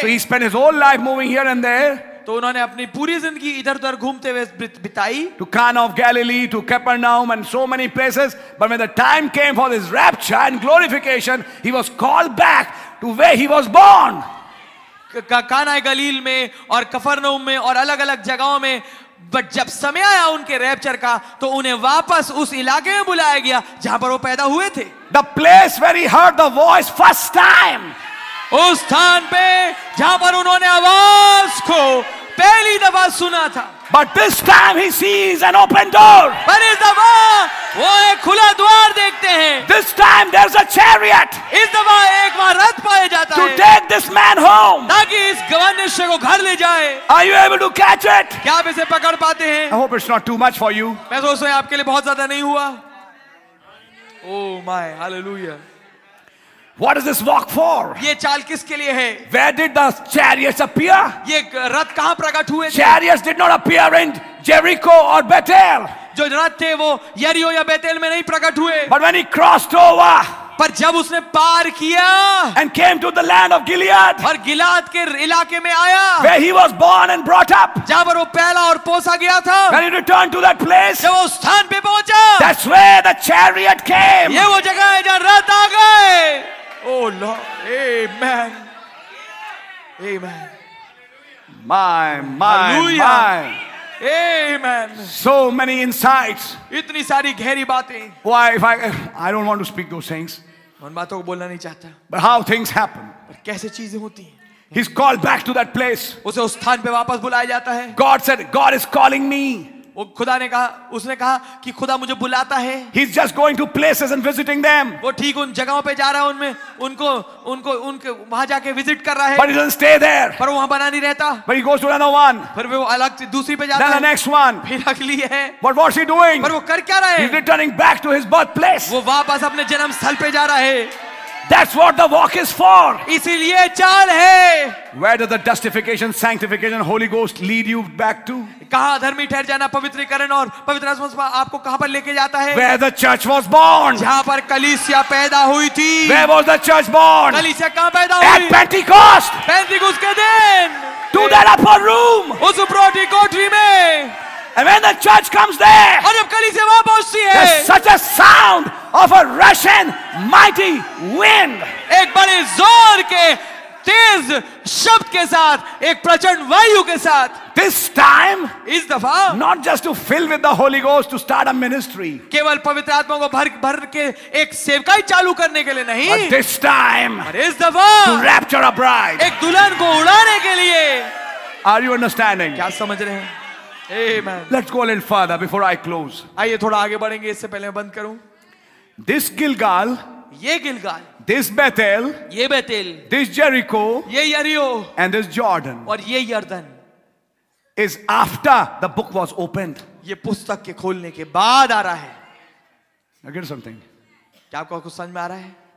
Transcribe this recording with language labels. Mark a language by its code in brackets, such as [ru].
[en] So he spent his whole life moving here and there. [hi] तो उन्होंने अपनी पूरी जिंदगी इधर उधर घूमते हुए बिताई. [en] To Cana of Galilee, to Capernaum, and so many places. But when the time came for his rapture and glorification, he was called back to where he was born. [hi] काना गलील में और कफरनऊम में और अलग अलग जगहों में. बट जब समय आया उनके रैप्चर का, तो उन्हें वापस उस इलाके में बुलाया गया जहां पर वो पैदा हुए थे. [en] The place where he heard the voice first time. [hi] उस स्थान पे जहां पर उन्होंने आवाज को पहली दफा सुना था. [en] But this time he sees an open door. [hi] पर इस दफा वो एक खुला द्वार देखते हैं. [en] This time there is a chariot. [hi] इस दफा एक बार रथ पाया जाता है. [en] To take this man home. [hi] ताकि इस गवनिष्य को घर ले जाए. [en] Are you able to catch it? [hi] क्या आप इसे पकड़ पाते हैं? [en] I hope it's not too much for you. [hi] मैं सोचता हूं आपके लिए बहुत ज्यादा नहीं हुआ. [en] Oh my hallelujah. What is this walk for? [hi] ये चाल किसके लिए है? [en] Where did the chariots appear? [hi] ये रथ कहाँ प्रकट हुए? [en] Chariots did not appear in Jericho or Bethel. [hi] जो रथ थे वो यरीहो या बेतेल में नहीं प्रकट हुए. [en] But when he crossed over. [hi] पर जब उसने पार किया. [en] And came to the land of Gilead. [hi] और गिलाद के इलाके में आया. [en] Where he was born and brought up. [hi] जहाँ पर वो पहला और पोसा गया था. [en] When he returned to that place. [hi] जब वो स्थान पे पहुँचा. [en] That's where the chariot came. [hi] ये वो जगह है जहाँ रथ आ गए. [en] Oh Lord, Amen, Amen, my, Amen. So many insights. [hi] इतनी सारी गहरी बातें. [en] Why? If I don't want to speak those things. [hi] उन बातों को बोलना नहीं चाहता. [en] But how things happen? [hi] कैसे चीजें होती हैं? [en] He's called back to that place. [hi] उसे उस स्थान पे वापस बुलाया जाता है. [en] God said, God is calling me. [hi] वो खुदा ने कहा, उसने कहा कि खुदा मुझे बुलाता है. [en] He's just going to places and visiting them. [hi] वो ठीक उन जगहों पे जा रहा है, उनमें उनको उनको उनके वहाँ जाके विजिट कर रहा है. [en] But he doesn't stay there. [hi] पर वहाँ बना नहीं रहता. [en] But he goes to another one. [hi] पर वो अलग दूसरी पे जाता [en] है. Then the next one. [hi] फिर अगली है. [en] But what's he doing? [hi] पर वो कर क्या रहा है? [en] He's returning back to his birthplace. [hi] वो वापस अपने जन्म स्थल पे जा रहा है. [en] That's what the walk is for. [hi] इसीलिए चाल है. [en] Where does the justification, sanctification, Holy Ghost lead you back to? [hi] कहाँ धर्मी ठहर जाना, पवित्रीकरण और पवित्र आत्मा आपको कहाँ पर लेके जाता है? [en] Where the church was born. [hi] जहाँ पर कलीसिया पैदा हुई थी. [en] Where was the church born? [hi] कलीसिया कहाँ पैदा हुई? [en] At Pentecost. [hi] Pentecost के दिन. [en] To that upper room. [hi] उस ऊपरी कोठरी में. [en] And when the church comes there. [hi] और जब कलीसिया वहाँ पहुँचती है. [en] There's such a sound. Of a rushing mighty wind. [hi] एक बड़े जोर के तेज शब्द के साथ, एक प्रचंड वायु के साथ. [en] This time, [hi] इस दफा, [en] not just to fill with the Holy Ghost to start a ministry. [hi] केवल पवित्र आत्मा को भर भर के एक सेवकाई चालू करने के लिए नहीं. [en] But this time, [hi] और इस दफा, [en] to rapture a bride. [hi] एक दुल्हन को उड़ाने के लिए. [en] Are you understanding? [hi] क्या समझ रहे हैं? Amen. [en] Let's go a little further before I close. [hi] आइए थोड़ा आगे बढ़ेंगे इससे पहले मैं बंद करूं. [en] This Gilgal, [hi] ये Gilgal. [en] This Bethel, [hi] ये Bethel. [en] This Jericho, [hi] ये Jericho. [en] And this Jordan, [hi] और ये Jordan. [en] Is after the book was opened. [hi] ये पुस्तक के खोलने के बाद आ रहा है. [en] Again something. [hi] क्या आपको कुछ समझ में आ रहा है?